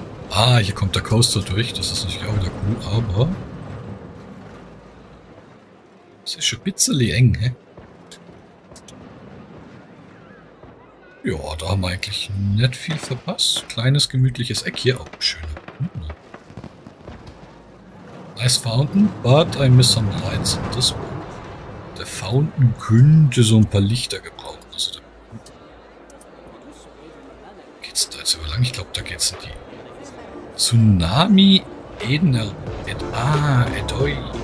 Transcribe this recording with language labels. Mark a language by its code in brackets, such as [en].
[de] Ah, hier kommt der Coaster durch, das ist natürlich auch wieder cool, aber. Das ist schon ein bisschen eng, hä? Ja, da haben wir eigentlich nicht viel verpasst. Kleines, gemütliches Eck hier, auch schön. [en] Nice Fountain, but I miss some lights in this one. [de] Der Fountain könnte so ein paar Lichter gebrauchen. Also geht's da jetzt über lang? Ich glaube, da geht's in die. Tsunami Edenel et A Edoi.